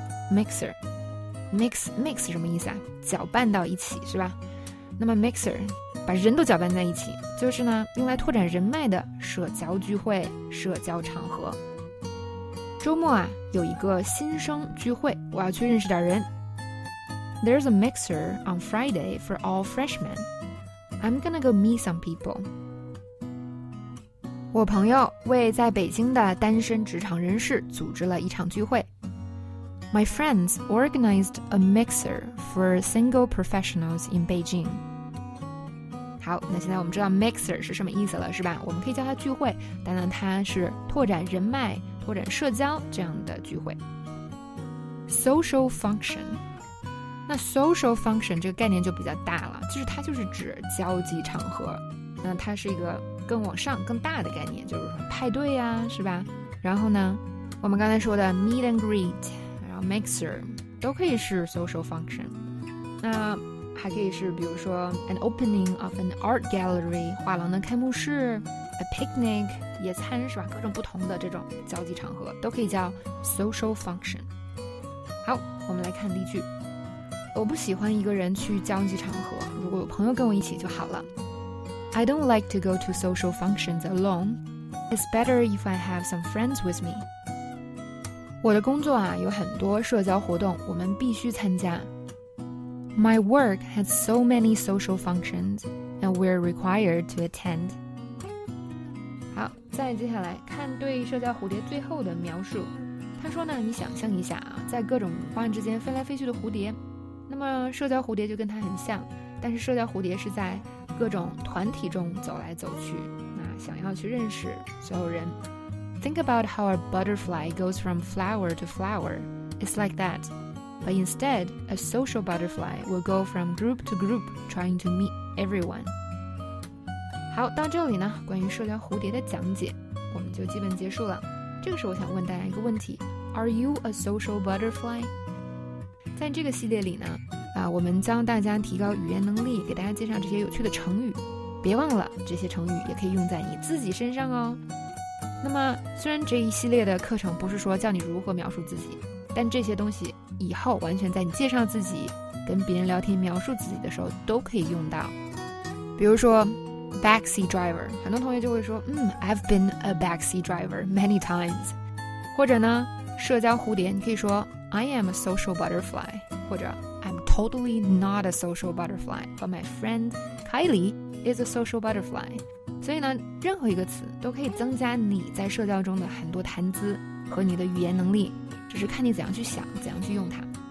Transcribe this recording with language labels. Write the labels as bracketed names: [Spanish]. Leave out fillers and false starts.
[Chinese] Mixer 是什么意思啊？搅拌到一起是吧？那么 mixer 把人都搅拌在一起，就是呢用来拓展人脉的社交聚会、社交场合。周末啊有一个新生聚会，我要去认识点人。 [English] There's a mixer on Friday for all freshmen. I'm gonna go meet some people. [Chinese] 我朋友为在北京的单身职场人士组织了一场聚会。 [English] My friends organized a mixer for single professionals in Beijing. [Chinese] 好，那现在我们知道 mixer 是什么意思了，是吧？我们可以叫它聚会，但呢，它是拓展人脉、拓展社交这样的聚会。 [English] Social function. [Chinese] 那 social function 这个概念就比较大了，就是它就是指交际场合。那它是一个更往上、更大的概念，就是派对呀，是吧？然后呢，我们刚才说的 meet and greet。Mixer 都可以是 social function， 那还可以是比如说 [English] an opening of an art gallery， [Chinese] 画廊的开幕式， a picnic 野餐是吧，各种不同的这种交际场合都可以叫 social function。好，我们来看例句。我不喜欢一个人去交际场合，如果有朋友跟我一起就好了。 [English] I don't like to go to social functions alone. It's better if I have some friends with me. [Chinese] 我的工作啊，有很多社交活动，我们必须参加。 [English] My work has so many social functions, and we're required to attend. [Chinese] 好，再接下来看对社交蝴蝶最后的描述。他说呢，你想象一下啊，在各种花之间飞来飞去的蝴蝶，那么社交蝴蝶就跟它很像，但是社交蝴蝶是在各种团体中走来走去，那想要去认识所有人。 [English] Think about how a butterfly goes from flower to flower. It's like that. But instead, a social butterfly will go from group to group trying to meet everyone. [Chinese] 好，到这里呢，关于社交蝴蝶的讲解，我们就基本结束了。这个时候我想问大家一个问题， [English] Are you a social butterfly? [Chinese] 在这个系列里呢，我们教大家提高语言能力，给大家介绍这些有趣的成语。别忘了，这些成语也可以用在你自己身上哦。那么虽然这一系列的课程不是说教你如何描述自己，但这些东西以后完全在你介绍自己跟别人聊天描述自己的时候都可以用到。比如说 [English] backseat driver， [Chinese] 很多同学就会说 [English] I've been a backseat driver many times， [Chinese] 或者呢社交蝴蝶，你可以说 [English] I am a social butterfly， [Chinese] 或者 [English] I'm totally not a social butterfly but my friend Kylie is a social butterfly。 [Chinese] 所以呢，任何一个词都可以增加你在社交中的很多谈资和你的语言能力，只是看你怎样去想，怎样去用它。